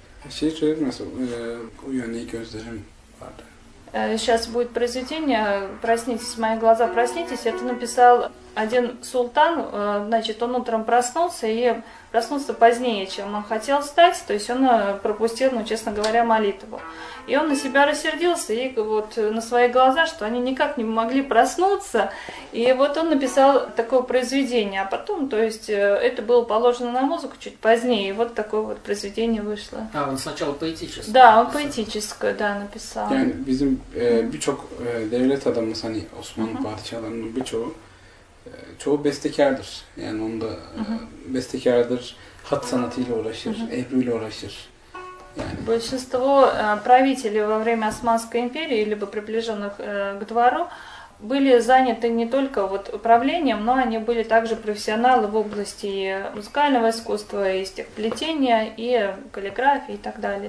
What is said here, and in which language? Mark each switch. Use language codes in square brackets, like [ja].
[tr] Şey söyledim, uyanıyor gözlerim vardı. [ru] Сейчас будет произведение «Проснитесь, мои глаза, проснитесь». Это написал один султан, значит, он утром проснулся и проснулся позднее, чем он хотел встать, то есть он пропустил, ну, честно говоря, молитву. И он на себя рассердился и вот на свои глаза, что они никак не могли проснуться, и вот он написал такое произведение. А потом, то есть это было положено на музыку чуть позднее, и вот такое вот произведение вышло. А, он сначала поэтическое. Да, он поэтическое, да, написал. [tr] Yani bizim birçok devlet adamı, hani Osmanlı padişahlarının birçoğu çoğu bestekardır. Yani onda bestekardır, hat sanatıyla uğraşır, ebruyla uğraşır. Yani. [ru] Большинство правителей во время Османской империи либо приближенных к двору были заняты не только вот управлением, но они были также профессионалы в области музыкального искусства, и стихоплетения, и каллиграфии и так далее.